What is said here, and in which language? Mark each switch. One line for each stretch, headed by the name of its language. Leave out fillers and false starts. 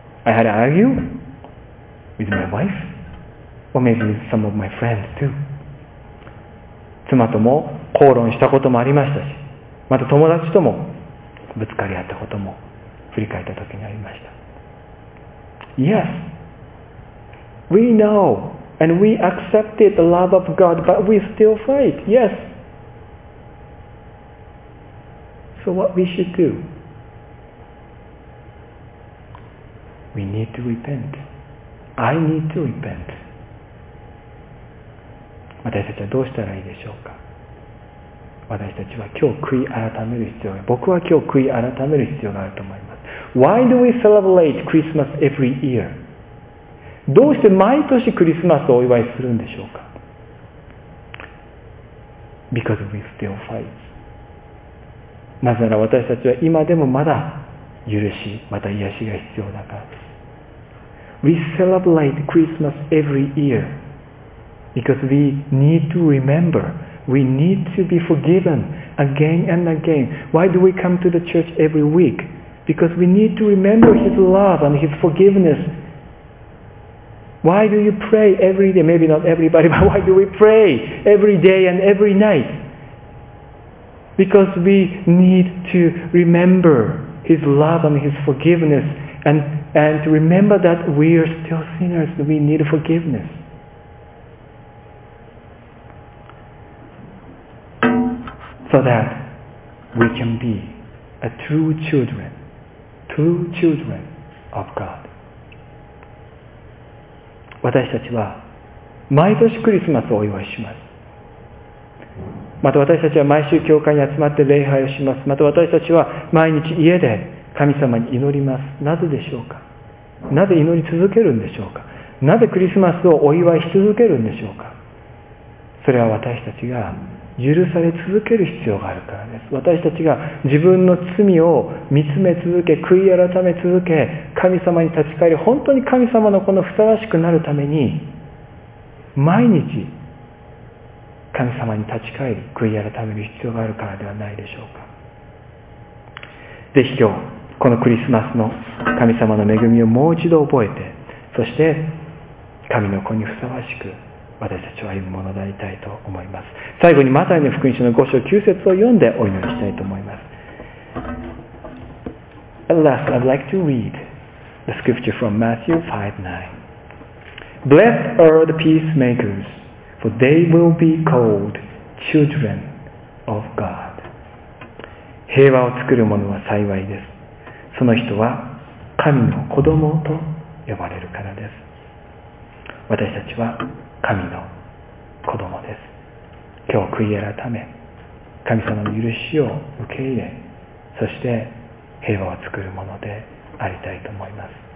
English: I had an argue with my wife or maybe with some of my friends too.
Japanese: 妻とも口論したこともありましたし、また友達ともぶつかり合ったことも振り返った時にありました。
English: Yes, we know. And we accepted the love of God, but we still fight. Yes. So what we should do? We need to repent. I need to repent.
Japanese: 私たちはどうしたらいいでしょうか？私たちは今日悔い改める必要がある。僕は今日悔い改める必要があると思います。
English: Why do we celebrate Christmas every year?
Japanese: どうして毎年クリスマスをお祝いするんでしょうか？
English: Because we still fight.
Japanese: なぜなら私たちは今でもまだ許し、また癒しが必要だからです。
English: We celebrate Christmas every year because we need to remember. We need to be forgiven again and again. Why do we come to the church every week? Because we need to remember His love and His forgiveness. Why do you pray every day? Maybe not everybody, but why do we pray every day and every night? Because we need to remember His love and His forgiveness and to remember that we are still sinners and we need forgiveness. So that we can be a true children of God.
Japanese: 私たちは毎年クリスマスをお祝いします。また私たちは毎週教会に集まって礼拝をします。また私たちは毎日家で神様に祈ります。なぜでしょうか？なぜ祈り続けるんでしょうか？なぜクリスマスをお祝いし続けるんでしょうか？それは私たちが許され続ける必要があるからです。私たちが自分の罪を見つめ続け、悔い改め続け、神様に立ち返り、本当に神様の子のふさわしくなるために、毎日神様に立ち返り、悔い改める必要があるからではないでしょうか。ぜひ今日、このクリスマスの神様の恵みをもう一度覚えて、そして神の子にふさわしく、私たちは歩むものでありたいと思います。最後にマタイの福音書の5章9節を読んでお祈りしたいと思います。
English: At last I'd like to read the scripture from Matthew 5:9. Blessed are the peacemakers, for they will be called children of God.
Japanese: 平和を作る者は幸いです。その人は神の子供と呼ばれるからです。私たちは神の子供です。今日悔い改め、神様の許しを受け入れ、そして平和を作るものでありたいと思います。